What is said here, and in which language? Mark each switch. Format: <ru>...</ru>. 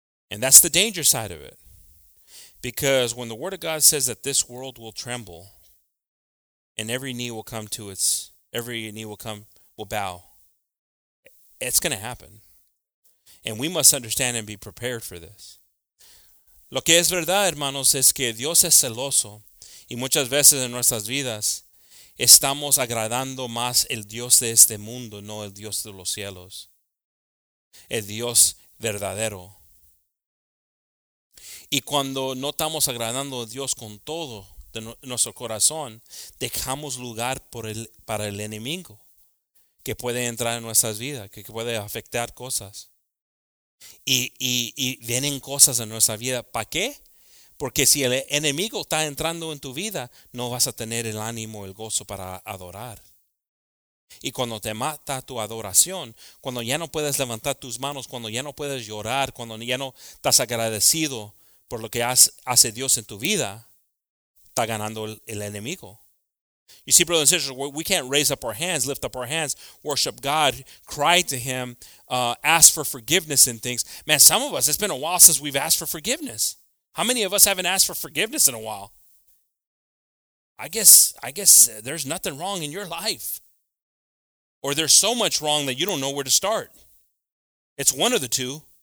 <en>And that's the danger side of it. Because when the Word of God says that this world will tremble and every knee will bow, it's going to happen. And we must understand and be prepared for this.</en> <es>Lo que es verdad, hermanos, es que Dios es celoso y muchas veces en nuestras vidas estamos agradando más el Dios de este mundo, no el Dios de los cielos, el Dios verdadero. Y cuando no estamos agradando a Dios con todo de nuestro corazón, dejamos lugar para el enemigo que puede entrar en nuestras vidas, que puede afectar cosas. Y vienen cosas en nuestra vida. ¿Para qué? Porque si el enemigo está entrando en tu vida, no vas a tener el ánimo, el gozo para adorar. Y cuando te mata tu adoración, cuando ya no puedes levantar tus manos, cuando ya no puedes llorar, cuando ya no estás agradecido por lo que hace Dios en tu vida, está ganando el enemigo.</es> <en>You see, brothers and sisters, we can't raise up our hands, lift up our hands, worship God, cry to him, ask for forgiveness in things. Man, some of us, it's been a while since we've asked for forgiveness. How many of us haven't asked for forgiveness in a while? I guess there's nothing wrong in your life. Or there's so much wrong that you don't know where to start. It's one of the two.</en>